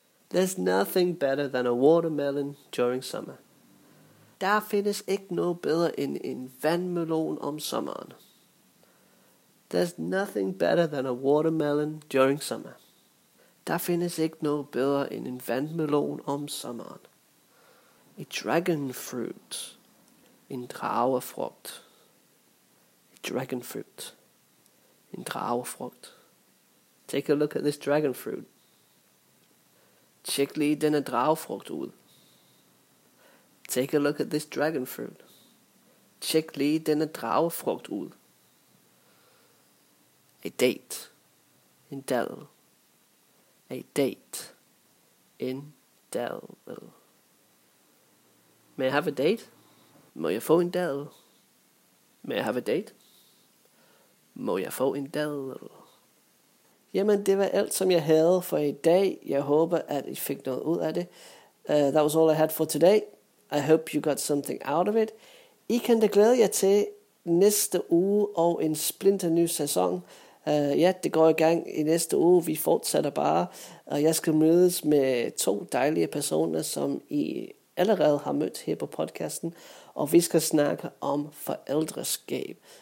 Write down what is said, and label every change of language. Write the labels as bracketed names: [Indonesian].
[English] There's nothing better than a watermelon during summer. [Danish] Der findes ikke noget bedre end en vandmelon om sommeren. [English] There's nothing better than a watermelon during summer. [Danish] Der findes ikke noget bedre end en vandmelon om sommeren. [English] A dragon fruit. [Danish] En dragefrugt. [English] A dragon fruit. En dragefrugt. Take a look at this dragon fruit. [Danish] Tjek lige denne dragefrugt ud. [English] Take a look at this dragon fruit. [Danish] Tjek lige denne dragefrugt ud. [English] A date. [Danish] En dadel. [English] A date. [Danish] En dadel. [English] May I have a date? [Danish] Må jeg få en dadel? [English] May I have a date? [Danish] Må jeg få en dadel? Jamen, det var alt, som jeg havde for i dag. Jeg håber, at I fik noget ud af det. [English] That was all I had for today. I hope you got something out of it. [Danish] I kan da glæde jer til næste uge og en splinter ny sæson. Ja, det går i gang i næste uge. Vi fortsætter bare. Og jeg skal mødes med to dejlige personer, som I allerede har mødt her på podcasten. Og vi skal snakke om forældreskab.